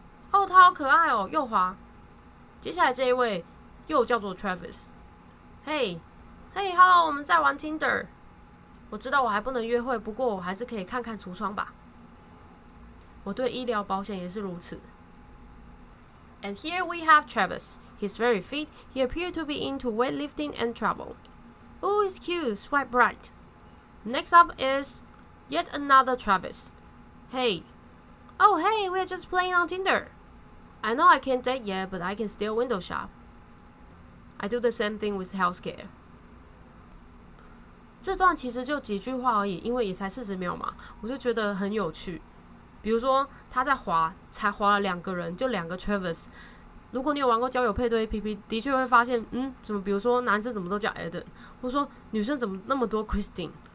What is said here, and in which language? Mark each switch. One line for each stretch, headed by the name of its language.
Chinese: 哦，他好可爱哦，右滑。接下来这一位又叫做 Travis。 Hello， 我们在玩 Tinder。我知道我还不能约会，不过我还是可以看看橱窗吧。我对医疗保险也是如此。
English: And here we have Travis. He's very fit. He appears to be into weightlifting and travel. Ooh, he's cute. Swipe right. Next up is... Yet another Travis. Hey. Oh, hey, we're just playing on Tinder. I know I can't date yet, but I can still window shop. I do the same thing with healthcare.
Chinese: 这段其实就几句话而已，因为也才40秒嘛，我就觉得很有趣。比如说，他在滑，才滑了两个人，就两个 Travis。如果你有玩过交友配对 APP， 的确会发现，怎么比如说男生怎么都叫 Adam， 或说女生怎么那么多 Christine。